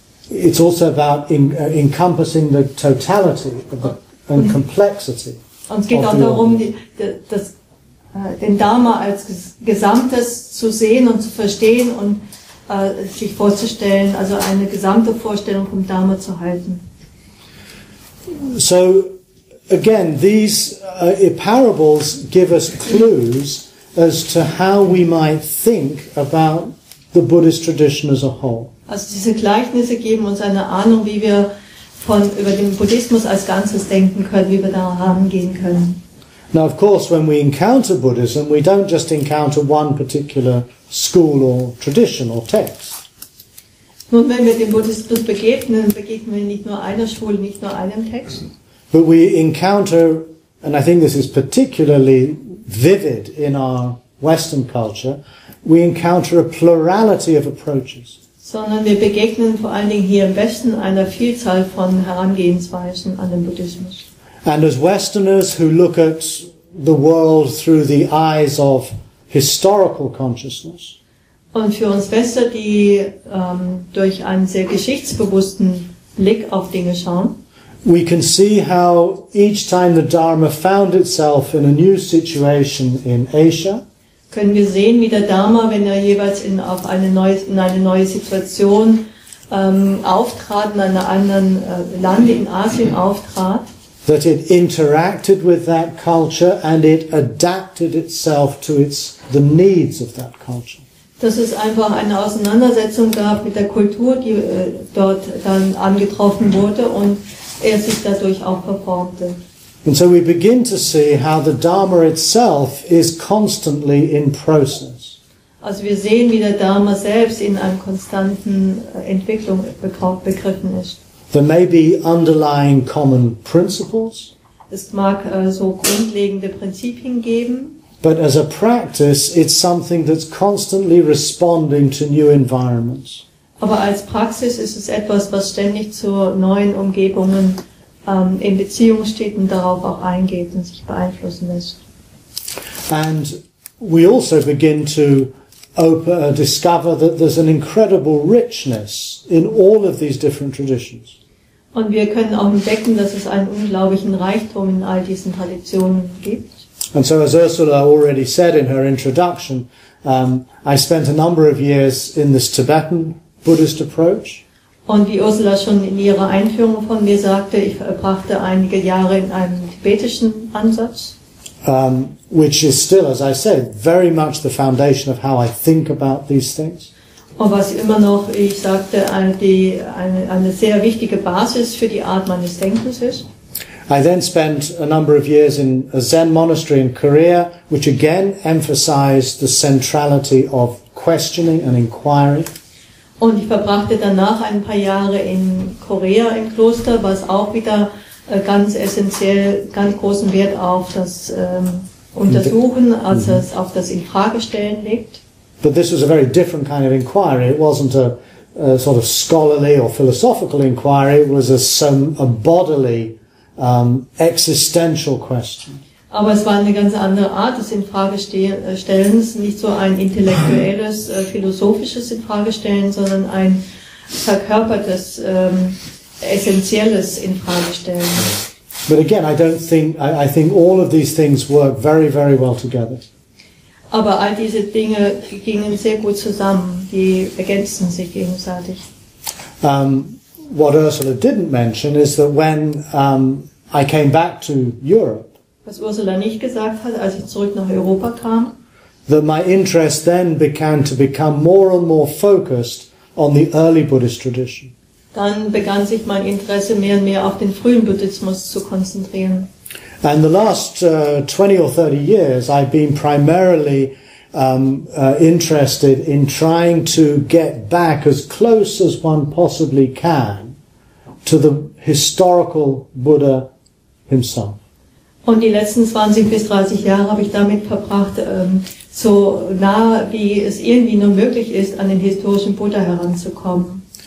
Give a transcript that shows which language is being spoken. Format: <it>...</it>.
<en>It's also about encompassing the totality of the, and complexity.</en> <de>Und es geht auch darum, den Dharma als Gesamtes zu sehen und zu verstehen und sich vorzustellen, also eine gesamte Vorstellung vom Dharma zu halten.</de> <en>So, again, these parables give us clues as to how we might think about the Buddhist tradition as a whole.</en> <de>Also diese Gleichnisse geben uns eine Ahnung, wie wir über den Buddhismus als Ganzes denken können, wie wir da rangehen können.</de> <en>Now of course, when we encounter Buddhism, we don't just encounter one particular school or tradition or text.</en> <de>Nun, wenn wir dem Buddhismus begegnen, begegnen wir nicht nur einer Schule, nicht nur einem Text.</de> <en>But we encounter, and I think this is particularly vivid in our Western culture, we encounter a plurality of approaches.</en> <de>Sondern wir begegnen vor allen Dingen hier im Westen einer Vielzahl von Herangehensweisen an den Buddhismus.</de> <en>And as Westerners who look at the world through the eyes of historical consciousness.</en> <de>Und für uns Wester, die durch einen sehr geschichtsbewussten Blick auf Dinge schauen.</de> <en>We can see how each time the Dharma found itself in a new situation in Asia.</en> <de>Können wir sehen, wie der Dharma, wenn er jeweils in eine neue Situation auftrat, in einem anderen Lande in Asien auftrat,</de> <en>that it interacted with that culture and it adapted itself to the needs of that culture.</en> <de>Dass es einfach eine Auseinandersetzung gab mit der Kultur, die dort dann angetroffen wurde und er sich dadurch auch verformte.</de> <en>And so we begin to see how the Dharma itself is constantly in process.</en> <de>Also wir sehen, wie der Dharma selbst in einer konstanten Entwicklung begriffen ist.</de> <en>There may be underlying common principles.</en> <de>Es mag so grundlegende Prinzipien geben.</de> <en>But as a practice, it's something that's constantly responding to new environments.</en> <de>Aber als Praxis ist es etwas, was ständig zu neuen Umgebungen in Beziehung steht und darauf auch eingeht und sich beeinflussen lässt.</de> <en>And we also begin to discover that there's an incredible richness in all of these different traditions.</en> <de>Und wir können auch entdecken, dass es einen unglaublichen Reichtum in all diesen Traditionen gibt.</de> <en>And so as Ursula already said in her introduction, I spent a number of years in this Tibetan Buddhist approach.</en> <de>Und wie Ursula schon in ihrer Einführung von mir sagte, ich verbrachte einige Jahre in einem tibetischen Ansatz.</de> <en>Which is still, as I said, very much the foundation of how I think about these things.</en> <de>Und was immer noch, ich sagte, eine sehr wichtige Basis für die Art meines Denkens ist.</de> <en>I then spent a number of years in a Zen monastery in Korea, which again emphasized the centrality of questioning and inquiry.</en> <de>Und ich verbrachte danach ein paar Jahre in Korea im Kloster, was auch wieder ganz essentiell, ganz großen Wert auf das Untersuchen, also das, auf das Infragestellen legt.</de> <en>But this was a very different kind of inquiry. It wasn't a sort of scholarly or philosophical inquiry. It was a bodily, existential question.</en> <de>Aber es war eine ganz andere Art des Infragestellens, nicht so ein intellektuelles, philosophisches Infragestellen, sondern ein verkörpertes, essentielles Infragestellen.</de> <en>But again, I think all of these things work very, very well together.</en> <de>Aber all diese Dinge gingen sehr gut zusammen. Die ergänzten sich gegenseitig.</de> <en>What Ursula didn't mention is that when I came back to Europe,</en> <de>was Ursula nicht gesagt hat, als ich zurück nach Europa kam,</de> <en>that my interest then began to become more and more focused on the early Buddhist tradition.</en> <de>Dann begann sich mein Interesse mehr und mehr auf den frühen Buddhismus zu konzentrieren.</de> <en>And the last 20 or 30 years, I've been primarily interested in trying to get back as close as one possibly can to the historical Buddha himself.</en> <de>Und die letzten 20 bis 30 Jahre habe ich damit verbracht, so nah wie es irgendwie nur möglich ist, an den historischen Buddha heranzukommen.</de>